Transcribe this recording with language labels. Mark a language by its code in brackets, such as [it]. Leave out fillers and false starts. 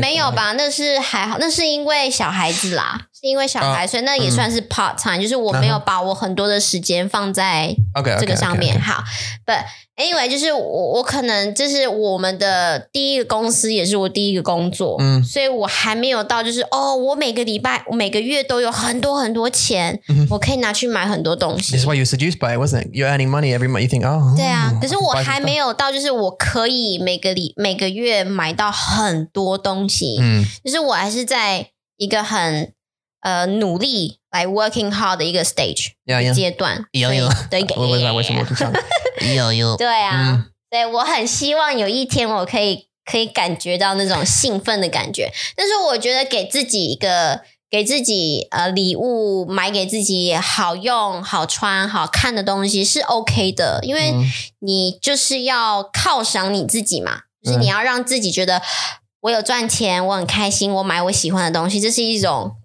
[zh] 没有吧那是还好那是因为小孩子啦是因为小孩所以那也算是 part time 就是我没有把我很多的时间放在这个上面 [en] okay. [zh] 好 [en] but anyway [zh] 就是 我可能就是我们的第一个公司也是我第一个工作所以我还没有到就是哦我每个礼拜我每个月都有很多很多钱我可以拿去买很多东西 [en] That's why you're seduced by it wasn't it? You're earning money every month you think oh [zh] 对啊可是我还没有到就是我可以每个月买到很多东西就是我还是在一个很努力 [en] like working hard [zh] 的一个 stage 阶段对啊对我很希望有一天我可以感觉到那种兴奋的感觉但是我觉得给自己一个给自己礼物买给自己好用好穿好看的东西是 OK 的因为你就是要犒赏你自己嘛就是你要让自己觉得我有赚钱我很开心我买我喜欢的东西这是一种